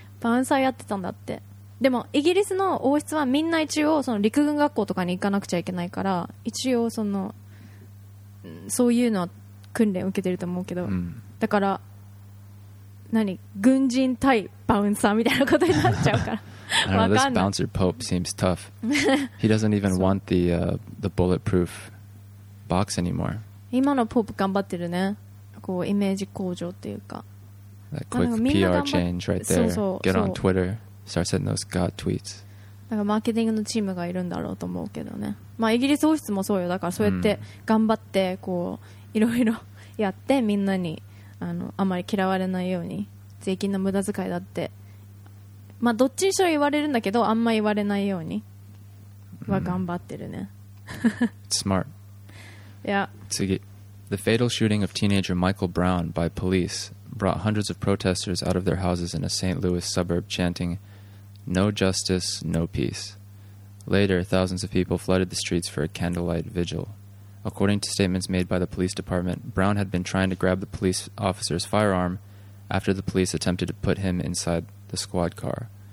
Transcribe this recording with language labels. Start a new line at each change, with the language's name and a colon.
Japanese: バウンサーやってたんだって。でも、イギリスの王室はみんな一応、その陸軍学校とかに行かなくちゃいけないから、一応、その、そういうのは訓練を受けてると思うけど、 mm. だから、何、軍人対バウンサーみたいなことになっちゃうから。
English: I don't know, this bouncer Pope seems tough. He doesn't even want the bulletproof. Box anymore.
Japanese: 今のポープ頑張ってるね。こうイメージ向上っていうか。
English: That quick PR change right there. そうそう。Get on Twitter. Start sending those god tweets.
Japanese: なんかマーケティングのチームがいるんだろうと思うけどね。まあイギリス王室もそうよ。だからそうやって頑張ってこういろいろやって、みんなにあまり嫌われないように、税金の無駄遣いだって。まあどっちにしろ言われるんだけど、あんまり言われないようには頑張ってるね。
English: Smart. Yeah.
Japanese: 次。
English: The fatal shooting of teenager Michael Brown by police brought hundreds of protesters out of their houses in a St. Louis suburb chanting, No justice, no peace. Later, thousands of people flooded the streets for a candlelight vigil. According to statements made by the police department, Brown had been trying to grab the police officer's firearm after the police attempted to put him inside the squad car.